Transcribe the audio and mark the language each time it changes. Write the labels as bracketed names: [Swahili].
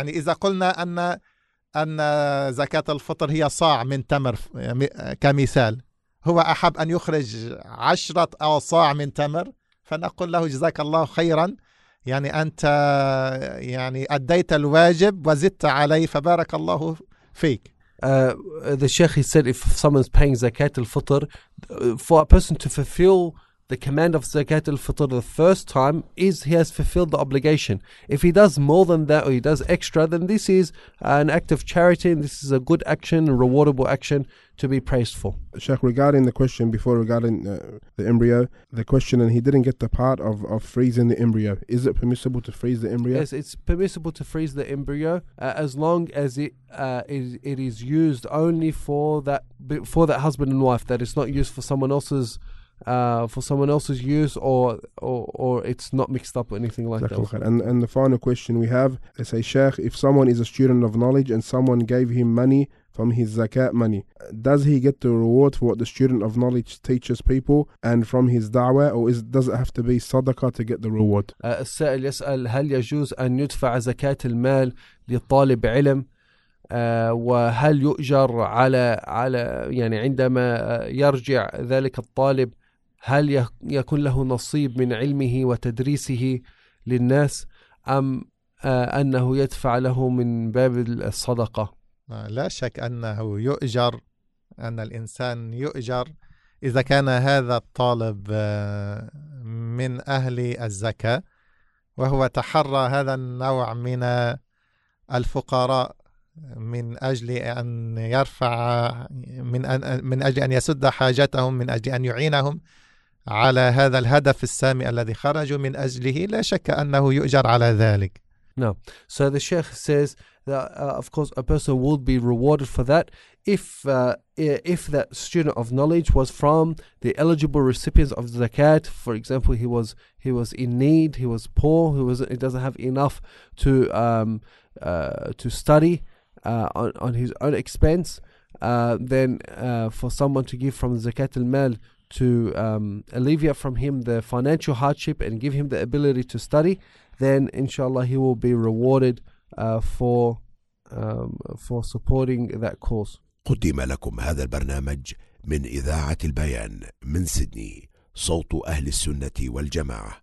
[Arabic] يعني إذا قلنا أن زكاة الفطر هي صاع من تمر كمثال، هو أحب أن يخرج 10 أصاع من تمر، فنقول له جزاك الله خيرا، يعني أنت يعني أديت الواجب وزدت علي فبارك الله فيك. [English] The Sheikh, he said if someone's paying zakat al-fitr, for a person to fulfill the command of zakat al-fitr the first time, is he has fulfilled the obligation. If he does more than that or he does extra, then this is an act of charity and this is a good action, a rewardable action to be praised for. Sheikh, regarding the question before regarding the embryo, the question, and he didn't get the part of freezing the embryo. Is it permissible to freeze the embryo? Yes, it's permissible to freeze the embryo as long as it is used only for that husband and wife, that it's not used for someone else's use or it's not mixed up or anything like exactly. that. And the final question we have, they say, Sheikh, if someone is a student of knowledge and someone gave him money from his zakat money, does he get the reward for what the student of knowledge teaches people and from his da'wah, or does it have to be sadaqah to get the reward? [Arabic] السائل يسأل هل يجوز أن يدفع زكاة المال لطالب علم وهل يؤجر على يعني عندما يرجع ذلك الطالب هل يكون له نصيب من علمه وتدريسه للناس أم أنه يدفع له من باب الصدقة؟ لا شك أنه يؤجر، أن الإنسان يؤجر إذا كان هذا الطالب من أهل الزكاة وهو تحرى هذا النوع من الفقراء من أجل أن يرفع من أجل أن يسد حاجتهم، من أجل أن يعينهم على هذا الهدف السامي الذي خرجوا من أجله، لا شك أنه يؤجر على ذلك. [English] No. So the Sheikh says that of course a person would be rewarded for that if that student of knowledge was from the eligible recipients of zakat. For example, he was in need, he was poor, he doesn't have enough to study on his own expense. Then for someone to give from zakat al-mal to alleviate from him the financial hardship and give him the ability to study, then inshallah he will be rewarded for supporting that course. [Arabic] قدم لكم هذا البرنامج من إذاعة البيان من سيدني، صوت أهل السنة والجماعة.